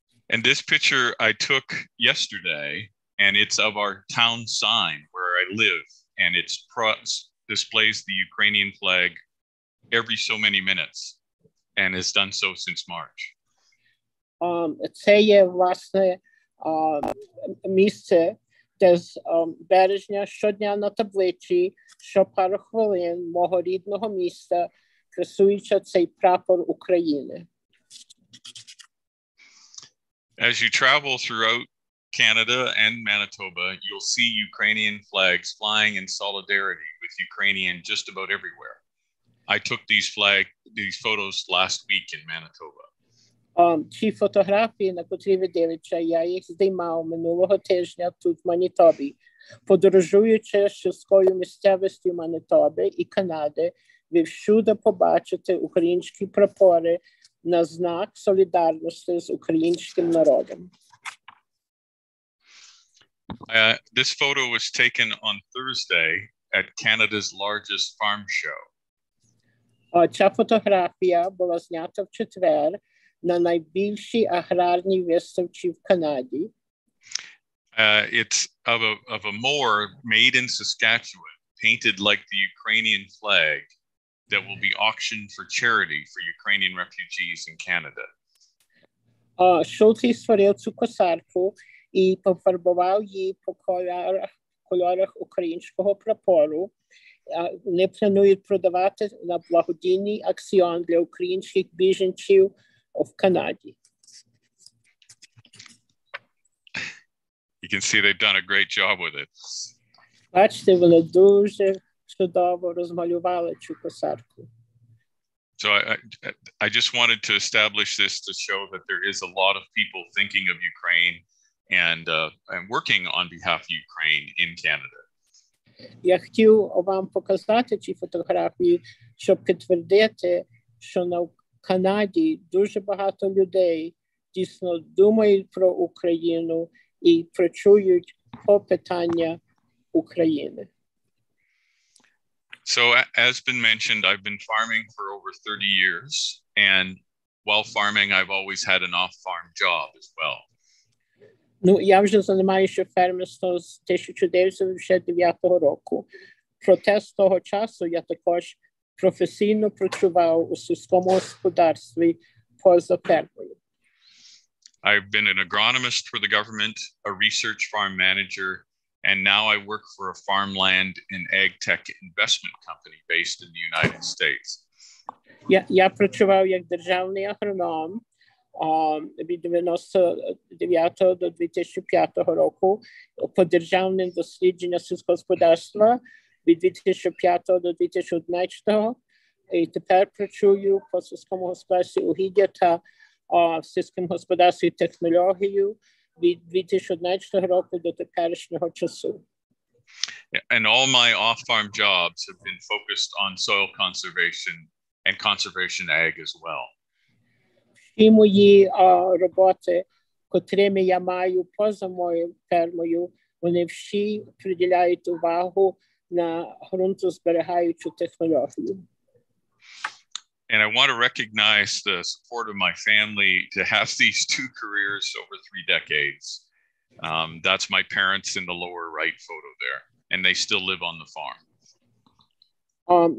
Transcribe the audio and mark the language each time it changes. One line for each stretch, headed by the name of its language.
English: And this picture I took yesterday, and it's of our town sign where I live, and it displays the Ukrainian flag every so many minutes, and has done so since March.
Ukrainian: Це є, власне, місце, де з березня щодня на табличі, що пару хвилин мого рідного міста красується цей прапор України.
English: As you travel throughout Canada and Manitoba, you'll see Ukrainian flags flying in solidarity with Ukrainian just about everywhere. I took these photos last week in Manitoba.
Ukrainian: Ці фотографії, на котрі ви дивиться, я їх здіймав минулого тижня тут в Манітобі. Подорожуючи з сільською місцевістю Манітоби і Канади, ви всюди побачите українські прапори на знак солідарності з українським народом.
English: This photo was taken on Thursday at Canada's largest farm show.
Ukrainian: Ця фотографія була знята в четвер на найбільшій аграрній виставці в Канаді.
English: It's of a moor made in Saskatchewan, painted like the Ukrainian flag, that will be auctioned for charity for Ukrainian refugees in Canada.
Ukrainian: Шолтий створив цю косарку і пофарбував її по кольорах українського прапору. Вони планують продавати на благодійний акціон для українських біженців в Канаді.
English: You can see they've done a great job with it.
Ukrainian: Бачите, вони дуже чудово розмалювали цю косарку.
English: So I just wanted to establish this to show that there is a lot of people thinking of Ukraine and working on behalf of Ukraine in Canada.
Ukrainian: Я хотів вам показати ці фотографії, щоб підтвердити, що на Канаді дуже багато людей дійсно думають про Україну і прочують про питання України.
English: So as been mentioned, I've been farming for over 30 years, and while farming, I've always had an off-farm job as well.
Ukrainian: Ну, я вже займаюся фермерством з 1989 року. Проте з того часу я також професійно працював у сільському господарстві поза фермою.
English: I've been an agronomist for the government, a research farm manager, and now I work for a farmland and ag tech investment company based in the United States.
Ukrainian: Я працював як державний агроном від 99 до 2005 року по державним дослідженням сільськогосподарства від 2005 до 2011. І тепер працюю по сільському господарстві угіддя та сільському господарстві технологію від 2011 року до теперішнього часу.
English: And all my off-farm jobs have been focused on soil conservation and conservation ag as well.
Ukrainian: Всі мої роботи котрими я маю поза моєю фермою, вони всі приділяють увагу на ґрунтозберігаючу технологію.
English: And I want to recognize the support of my family to have these two careers over three decades. That's my parents in the lower right photo there, and they still live on the farm.